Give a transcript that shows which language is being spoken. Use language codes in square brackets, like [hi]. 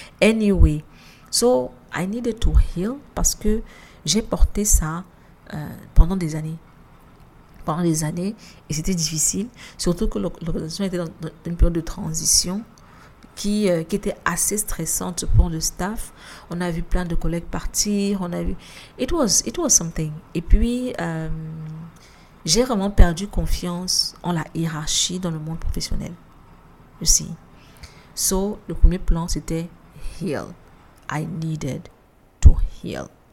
[en] Anyway, so I needed to heal [fr] parce que j'ai porté ça. Pendant des années. pendant des années et c'était difficile, surtout que l'organisation était dans une période de transition qui était assez stressante pour le staff. On a vu plein de collègues partir, on a vu [en] it was something. [fr] Et puis j'ai vraiment perdu confiance en la hiérarchie dans le monde professionnel aussi. So le premier plan c'était heal. [en] I needed to heal.